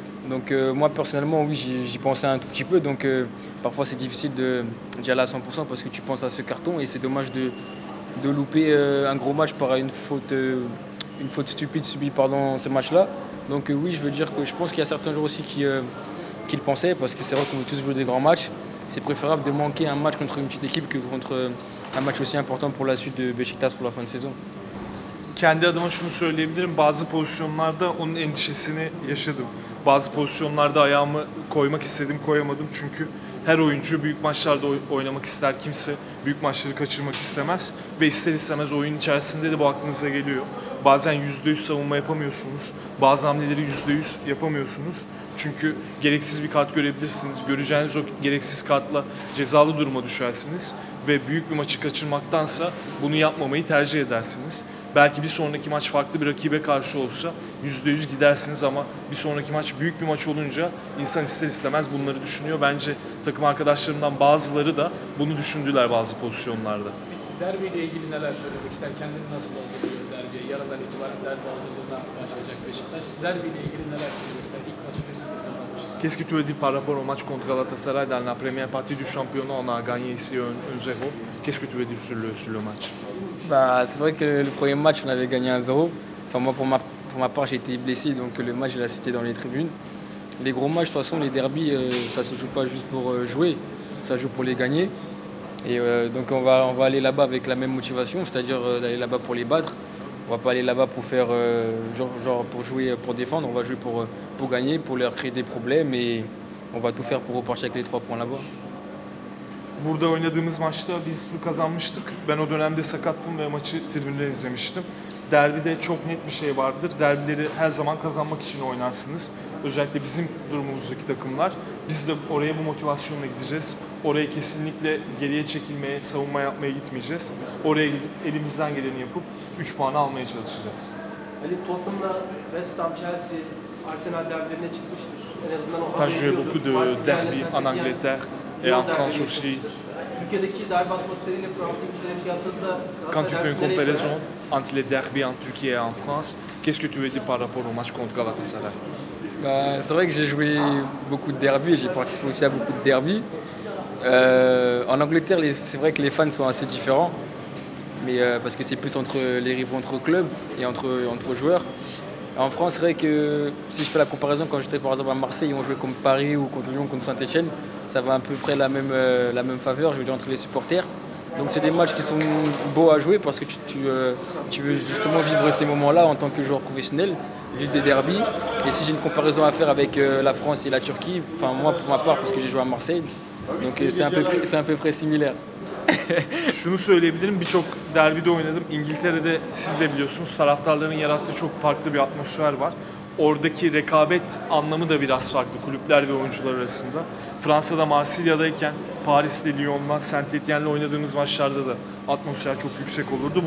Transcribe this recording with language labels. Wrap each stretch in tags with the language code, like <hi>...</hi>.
<fr>Donc moi, personnellement, oui, j'y pensais un tout petit peu. Donc parfois, c'est difficile d'y aller à 100% parce que tu penses à ce carton et c'est dommage de louper un gros match par une faute stupide subie pendant ce match-là. Donc oui, je veux dire que je pense qu'il y a certains joueurs aussi qui le pensaient, parce que c'est vrai qu'on veut tous jouer des grands matchs. C'est préférable de manquer un match contre une petite équipe que contre un match aussi important pour la suite de Beşiktaş pour la fin de saison.</fr> <tr>Kendi adıma şunu söyleyebilirim. Bazı pozisyonlarda onun endişesini yaşadım. Bazı pozisyonlarda ayağımı koymak istedim, koyamadım. Çünkü her oyuncu büyük maçlarda oynamak ister. Kimse büyük maçları kaçırmak istemez. Ve ister istemez oyun içerisinde de bu aklınıza geliyor. Bazen %100 savunma yapamıyorsunuz. Bazı hamleleri %100 yapamıyorsunuz. Çünkü gereksiz bir kart görebilirsiniz. Göreceğiniz o gereksiz kartla cezalı duruma düşersiniz. Ve büyük bir maçı kaçırmaktansa bunu yapmamayı tercih edersiniz. Belki bir sonraki maç farklı bir rakibe karşı olsa %100 gidersiniz ama bir sonraki maç büyük bir maç olunca insan ister istemez bunları düşünüyor. Bence takım arkadaşlarımdan bazıları da bunu düşündüler bazı pozisyonlarda. Derbiyle ilgili neler söylemek ister? Kendini nasıl hazırlıyor derbiye? Yarından itibaren derbi hazırlığından başlayacak Beşiktaş. Derbiyle ilgili neler söylemek ister? İlk maçı 1-0 kazanmıştı.</tr> <fr>Qu'est-ce que tu veux dire par rapport au match contre Galatasaray dans la première partie du championnat? On a gagné ici 1-0. Qu'est-ce que tu veux dire sur le match? Bah, c'est vrai que le premier match, on avait gagné 1-0. Enfin, moi, pour ma part, j'ai été blessé, donc le match, je l'ai cité dans les tribunes. Les gros matchs, de toute façon, les derbies, ça ne se joue pas juste pour jouer, ça joue pour les gagner. Et donc on va aller là-bas avec la même motivation, c'est-à-dire d'aller là-bas pour les battre. On va pas aller là-bas pour faire genre pour jouer pour défendre, on va jouer pour gagner, pour leur créer des problèmes et on va tout faire pour repartir avec les 3 points là-bas.</fr> <tr>Burada oynadığımız maçta 1-0 kazanmıştık. Ben o dönemde sakattım ve maçı tribünden izlemiştim. Derbide çok net bir şey vardır. Derbileri her zaman kazanmak için oynarsınız. Özellikle bizim durumumuzdaki takımlar. Biz de oraya bu motivasyonla gideceğiz. Oraya kesinlikle geriye çekilmeye, savunma yapmaya gitmeyeceğiz. Oraya gidip elimizden geleni yapıp 3 puanı almaya çalışacağız. Ali Tottenham'la West Ham, Chelsea, Arsenal derbilerine çıkmıştır. En azından o haberi görüyoruz.</tr> <fr>Beaucoup de derbi en Angleterre et en France aussi.</fr> <tr>Türkiye'deki derbi atmosferiyle Fransa güçlerine kıyasladığında</tr> <fr>Quand tu fais une comparaison entre les derbis en Turquie et en France, qu'est-ce que tu veux dire par rapport au match contre Galatasaray? C'est vrai que j'ai joué beaucoup de derbies, j'ai participé aussi à beaucoup de derbies. En Angleterre, c'est vrai que les fans sont assez différents, mais parce que c'est plus entre les rivaux entre clubs et entre joueurs. En France, c'est vrai que si je fais la comparaison, quand j'étais par exemple à Marseille, ils ont joué contre Paris ou contre Lyon, contre Saint-Etienne, ça va à peu près la même faveur, je veux dire, entre les supporters. Donc c'est des matchs qui sont beaux à jouer parce que tu veux justement vivre ces moments-là en tant que joueur professionnel, vivre des derbies. Et si j'ai une comparaison à faire avec la France et la Turquie, enfin moi pour ma part parce que j'ai joué à Marseille, donc c'est à peu près similaire.</fr> <tr>Şunu söyleyebilirim, birçok derbide oynadım. İngiltere'de siz de biliyorsunuz, taraftarların yarattığı çok farklı bir atmosfer var. oradaki rekabet anlamı da biraz farklı kulüpler ve oyuncular arasında. Fransa'da Marsilya'dayken Paris'le, Lyon'la, Saint-Étienne'le oynadığımız maçlarda da atmosfer çok yüksek olurdu.</tr>